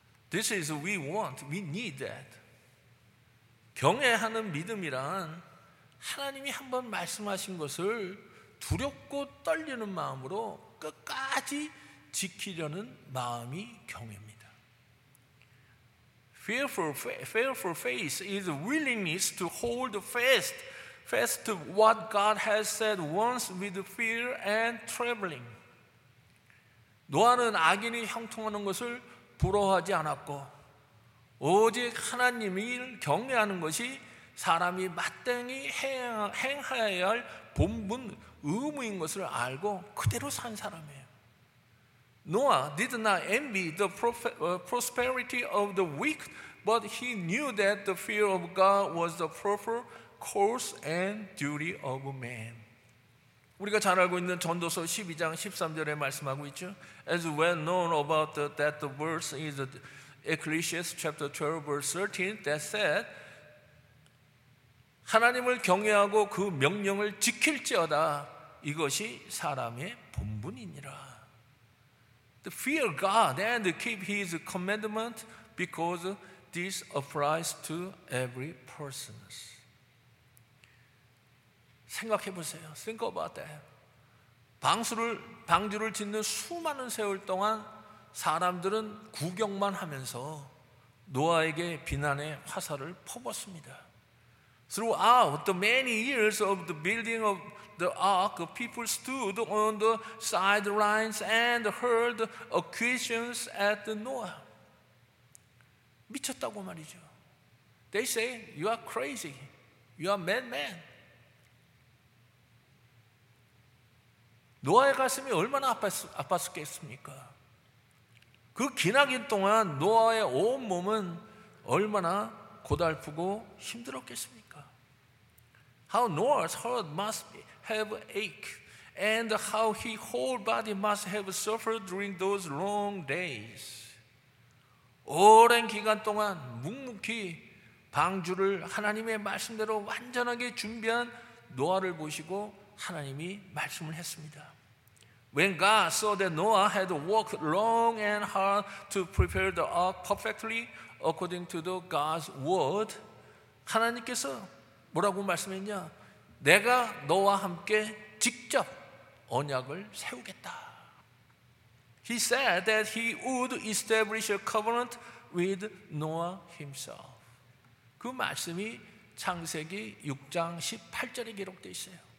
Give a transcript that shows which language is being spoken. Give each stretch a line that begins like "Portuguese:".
English: This is what we want. We need that.
Korean: 경외하는 믿음이란 하나님이 한번 말씀하신 것을 두렵고 떨리는 마음으로 끝까지 지키려는 마음이 경외입니다.
English: Fearful faith is willingness to hold fast to what God has said once with fear and trembling.
Korean: 노아는 악인이 형통하는 것을 부러워하지 않았고 오직 하나님을 경외하는 것이 사람이 마땅히 행해야 할 본분 의무인 것을 알고 그대로 산 사람이에요.
English: Noah did not envy the prosperity of the weak, but he knew that the fear of God was the proper course and duty of man.
Korean: 우리가 잘 알고 있는 전도서 12장 13절에 말씀하고 있죠.
English: As well known about that the verse is Ecclesiastes chapter 12 verse 13 that said
Korean: 하나님을 경외하고 그 명령을 지킬지어다 이것이 사람의 본분이니라.
English: To fear God and keep his commandment because this applies to every person.
Korean: 생각해 보세요.
English: Think about that.
Korean: 방주를 짓는 수많은 세월 동안 사람들은 구경만 하면서 노아에게 비난의 화살을 퍼붓습니다.
English: Throughout the many years of the building of the ark, people stood on the sidelines and heard accusations at Noah.
Korean: 미쳤다고 말이죠.
English: They say, you are crazy. You are madman.
Korean: 노아의 가슴이 얼마나 아팠겠습니까? 그 기나긴 동안 노아의 온몸은 얼마나 고달프고 힘들었겠습니까?
English: How Noah's heart must have ached and how his whole body must have suffered during those long days.
Korean: 오랜 기간 동안 묵묵히 방주를 하나님의 말씀대로 완전하게 준비한 노아를 보시고 하나님이 말씀을 했습니다.
English: When God saw that Noah had worked long and hard to prepare the ark perfectly according to the God's word,
Korean: 하나님께서 뭐라고 말씀했냐? 내가 너와 함께 직접 언약을 세우겠다.
English: He said that he would establish a covenant with Noah himself.
Korean: 그 말씀이 창세기 6장 18절에 기록되어 있어요.